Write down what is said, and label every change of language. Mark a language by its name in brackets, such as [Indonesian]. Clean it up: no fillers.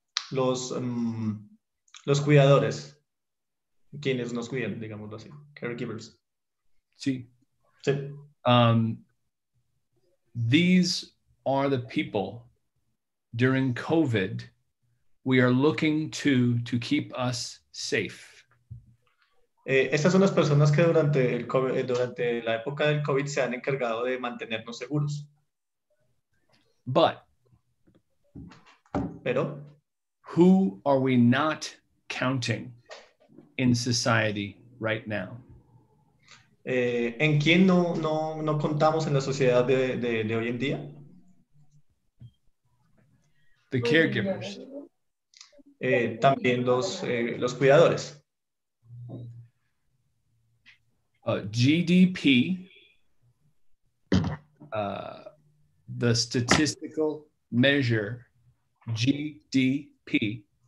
[Spanish] Los cuidadores, quienes nos cuidan, digámoslo así, caregivers. Sí. Sí. [English] These are the people during COVID we are looking to keep us safe. [Spanish] Estas son las personas que durante el COVID, durante la época del COVID se han encargado de mantenernos seguros. [English] But, [Spanish] pero, [English] who are we not counting in society right now? [Spanish] ¿En quién no contamos en la sociedad de hoy en día? [English] The caregivers. [Spanish] También los cuidadores. [English] GDP, the statistical measure, GDP.